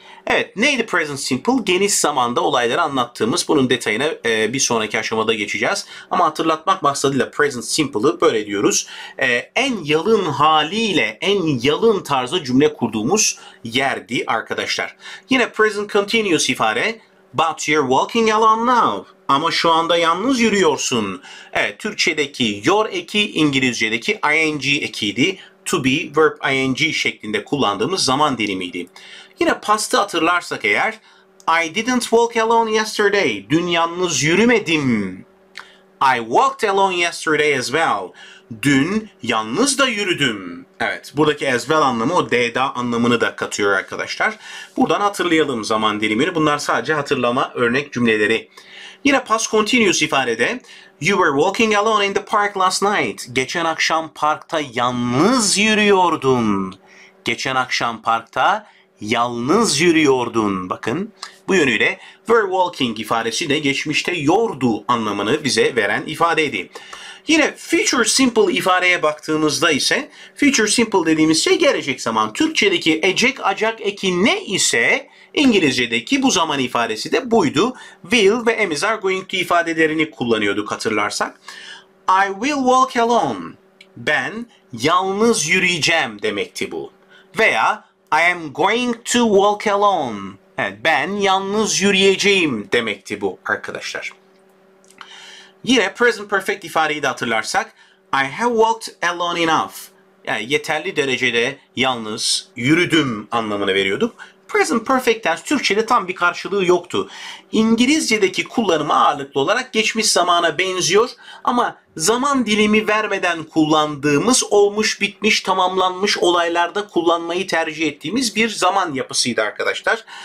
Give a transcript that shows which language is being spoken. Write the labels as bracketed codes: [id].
[tr] Evet, neydi present simple? Geniş zamanda olayları anlattığımız. Bunun detayına bir sonraki aşamada geçeceğiz. Ama hatırlatmak maksadıyla present simple'ı böyle diyoruz. En yalın haliyle, en yalın tarzda cümle kurduğumuz yerdi arkadaşlar. Yine present continuous ifade. [en] But you're walking alone now. [tr] Ama şu anda yalnız yürüyorsun. Evet, Türkçedeki you're eki, İngilizce'deki ing ekiydi. To be, verb ing şeklinde kullandığımız zaman dilimiydi. Yine past'ı hatırlarsak eğer, [en] I didn't walk alone yesterday. [tr] Dün yalnız yürümedim. [en] I walked alone yesterday as well. [tr] Dün yalnız da yürüdüm. Evet, buradaki as well anlamı o da anlamını da katıyor arkadaşlar. Buradan hatırlayalım zaman dilimini. Bunlar sadece hatırlama örnek cümleleri. Yine past continuous ifadede, [en] You were walking alone in the park last night. [tr] Geçen akşam parkta yalnız yürüyordun. Geçen akşam parkta yalnız yürüyordun. Bakın bu yönüyle were walking ifadesi de geçmişte yordu anlamını bize veren ifadeydi. Yine future simple ifadeye baktığımızda ise future simple dediğimiz şey gelecek zaman. Türkçedeki ecek acak eki ne ise İngilizce'deki bu zaman ifadesi de buydu. Will ve am is are going to ifadelerini kullanıyorduk hatırlarsak. [en] I will walk alone. [tr] Ben yalnız yürüyeceğim demekti bu. [en] Veya I am going to walk alone. [tr] Evet, ben yalnız yürüyeceğim demekti bu arkadaşlar. Yine present perfect ifadeyi de hatırlarsak. [en] I have walked alone enough. [tr] Yani yeterli derecede yalnız yürüdüm anlamını veriyorduk. Present perfect tense Türkçe'de tam bir karşılığı yoktu. İngilizce'deki kullanımı ağırlıklı olarak geçmiş zamana benziyor ama zaman dilimi vermeden kullandığımız olmuş bitmiş tamamlanmış olaylarda kullanmayı tercih ettiğimiz bir zaman yapısıydı arkadaşlar.